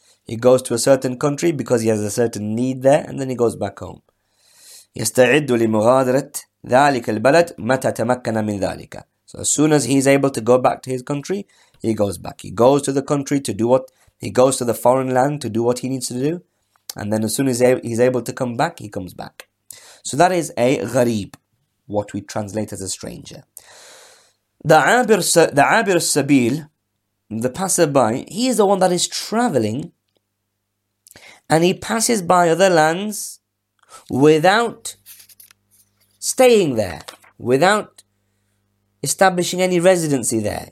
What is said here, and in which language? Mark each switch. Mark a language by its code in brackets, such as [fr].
[en] He goes to a certain country because he has a certain need there, and then he goes back home. [ar] يستعد لمغادرة ذلك البلد متى تمكن من ذلك. [en] So as soon as he's able to go back to his country, he goes back. He goes to the country to do what he goes to the foreign land to do what he needs to do. And then as soon as he's able to come back, he comes back. So that is a gharib, what we translate as a stranger. The abir sabil, the passerby, he is the one that is traveling and he passes by other lands without staying there, without establishing any residency there.